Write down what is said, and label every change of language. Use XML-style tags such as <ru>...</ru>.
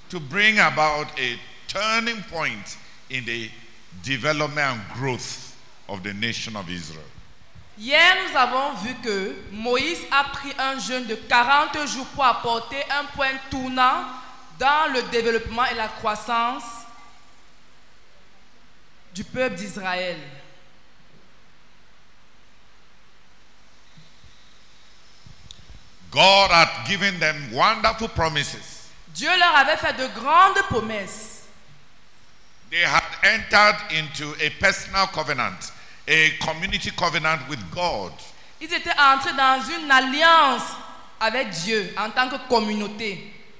<en>to bring about a turning point in the development and growth of the nation of Israel.</en> <fr>Hier, nous avons vu que Moïse a pris un jeûne de 40 jours pour apporter un point tournant dans le développement et la croissance du peuple d'Israël.</fr> <en>God had given them wonderful promises.</en> <fr>Dieu leur avait fait de grandes promesses.</fr> <en>They had entered into a personal covenant, a community covenant with God.</en> <fr>Ils étaient entrés dans une alliance avec Dieu en tant que communauté.</fr>